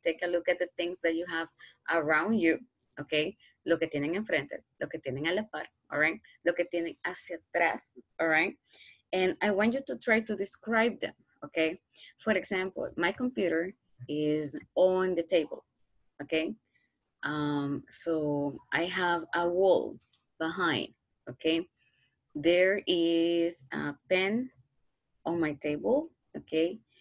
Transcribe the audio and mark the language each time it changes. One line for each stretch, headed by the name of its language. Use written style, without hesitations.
English: Take a look at the things that you have around you, okay?
Spanish: Lo que tienen enfrente, lo que tienen a la par,
English: all right?
Spanish: Lo que tienen hacia atrás,
English: all right? And I want you to try to describe them, okay? For example, my computer is on the table, okay? So I have a wall behind, okay? There is a pen on my table, okay?